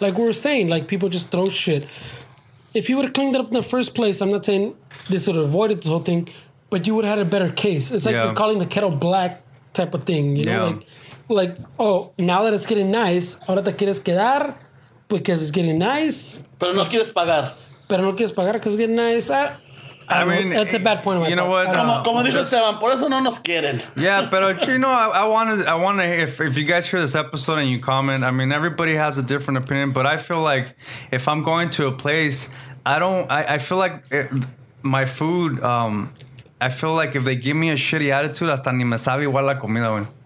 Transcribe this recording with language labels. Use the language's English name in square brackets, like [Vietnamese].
[English] Like we were saying, like people just throw shit. If you would have cleaned it up in the first place, I'm not saying this would have avoided the whole thing, but you would have had a better case. It's like we're calling the kettle black type of thing. You know, like, oh, now that it's getting nice, [Spanish] ahora te quieres quedar [English] because it's getting nice. [Spanish] Pero no quieres pagar. Pero no quieres pagar [English] because it's getting nice. I mean, that's a bad point. You know what? [Spanish] Como dijo Esteban, por eso no nos quieren. [English] Yeah, pero you know, I want to. If you guys hear this episode and you comment, I mean, everybody has a different opinion. But I feel like if I'm going to a place, I feel like my food. I feel like if they give me a shitty attitude, [Spanish] hasta ni me sabe igual la comida.